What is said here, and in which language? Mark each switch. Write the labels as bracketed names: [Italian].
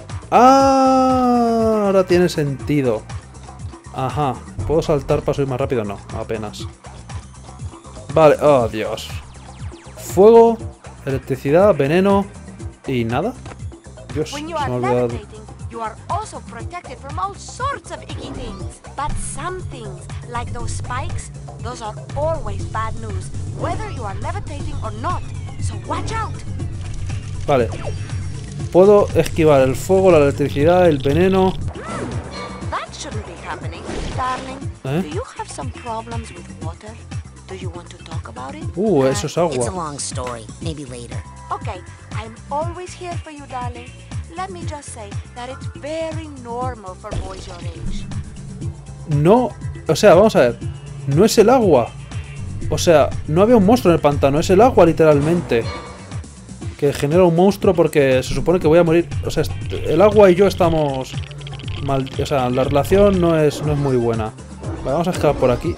[Spanish] ¡Ah! Ahora tiene sentido. Ajá. ¿Puedo saltar para subir más rápido? No, apenas. Vale, oh Dios. Fuego, electricidad, veneno y nada. Dios, se me ha olvidado. [English] You are also protected from all sorts of icky things. But some things, like those spikes, those are always bad news, whether you are levitating or not. So watch out. [Spanish] Vale. Puedo esquivar el fuego, la electricidad, el veneno. [English] That shouldn't be happening, darling. Do you have some problems with water? Do you want to talk about it? [Spanish] Eso es agua. [English] It's a long story. Maybe later. Okay, I'm always here for you, darling. Let me just say that it's very normal for boys your age. [Spanish] No, o sea, vamos a ver. No es el agua. O sea, no había un monstruo en el pantano, es el agua literalmente. Que genera un monstruo porque se supone que voy a morir. O sea, el agua y yo estamos mal, o sea, la relación no es muy buena. Vale, vamos a escalar por aquí.